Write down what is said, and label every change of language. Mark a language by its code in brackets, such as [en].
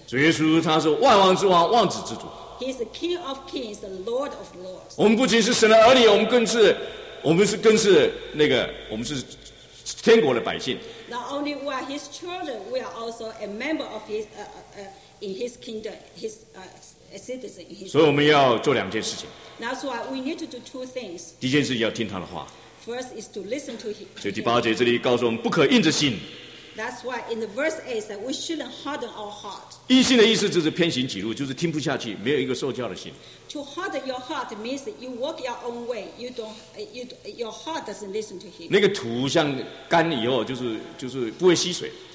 [zh] 主耶稣他是万王之王，万子之主。 [en] He is the King of Kings, the Lord of Lords. [zh] 我们不仅是神的儿女，我们更是那个，我们是天国的百姓。 [en] Not only we are His children, we are also a member of His in His kingdom, His a citizen. [zh] 所以我们要做两件事情。 [en] That's why we need to do two things. [zh] 第一件事要听他的话。 [en] First is to listen to Him. [zh] 所以第八节这里告诉我们，不可硬着心。 [en] That's why in the verse 8 that we shouldn't harden our heart. [zh] 异性的意思就是偏行己路，就是听不下去，没有一个受教的心。 [en] To harden your heart means you walk your own way. You don't, you, your heart doesn't listen to him. [zh] 那个土像干以后，就是不会吸水。